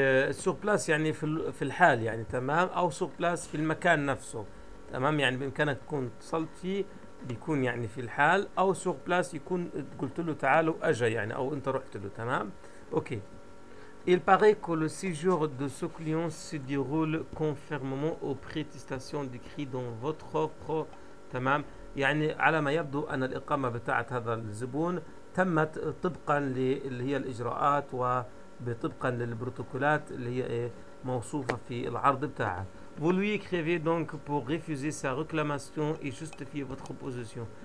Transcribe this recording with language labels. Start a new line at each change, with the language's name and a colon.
Arabic: سوغ بلاس يعني في الحال يعني تمام او سوغ بلاس في المكان نفسه تمام يعني بامكانك تكون اتصلت فيه بيكون يعني في الحال او سوغ بلاس يكون قلت له تعال واجا يعني او انت رحت له تمام. اوكي.
French: Il paraît que le séjour de ce client se déroule conformément aux prestations décrites dans votre offre.
Arabic: تمام يعني على ما يبدو ان الاقامه بتاعت هذا الزبون تمت طبقا للي هي الاجراءات وطبقا للبروتوكولات اللي هي موصوفه في العرض بتاعه.
French: Vous lui écrivez donc pour refuser sa réclamation et justifier votre position.